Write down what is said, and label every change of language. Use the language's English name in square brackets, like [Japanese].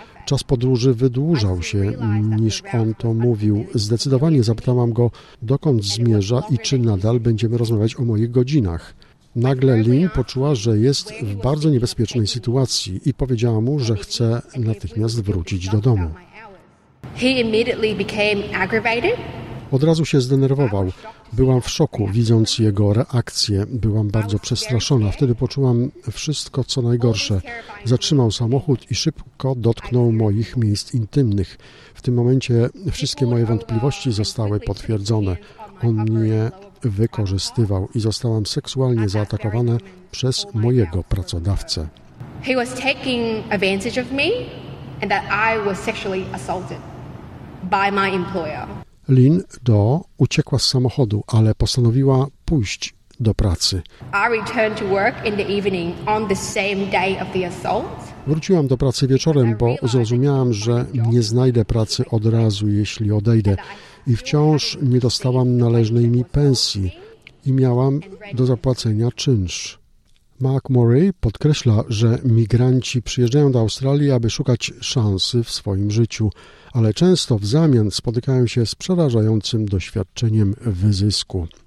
[Polish] Czas podróży wydłużał się, niż on to mówił. Zdecydowanie zapytałam go, dokąd zmierza i czy nadal będziemy rozmawiać o moich godzinach. Nagle Lynn poczuła, że jest w bardzo niebezpiecznej sytuacji i powiedziała mu, że chce natychmiast wrócić do domu. [English] He immediately became aggravated. [Polish] Od razu się zdenerwował. Byłam w szoku, widząc jego reakcję. Byłam bardzo przestraszona. Wtedy poczułam wszystko, co najgorsze. Zatrzymał samochód i szybko dotknął moich miejsc intymnych. W tym momencie wszystkie moje wątpliwości zostały potwierdzone. On mnie wykorzystywał i zostałam seksualnie zaatakowana przez mojego pracodawcę. [English] He was taking advantage of me. And that I was sexually assaulted by my employer. [Polish] Lynn Daw uciekła z samochodu, ale postanowiła pójść do pracy. [English] I returned to work in the evening on the same day of the assault. [Polish] Wróciłam do pracy wieczorem, bo zrozumiałam, że nie znajdę pracy od razu, jeśli odejdę, i wciąż nie dostałam należnej mi pensji. i miałam do zapłacenia czynsz. Mark Murray podkreśla, że migranci przyjeżdżają do Australii, aby szukać szansy w swoim życiu, ale często w zamian spotykają się z przerażającym doświadczeniem wyzysku.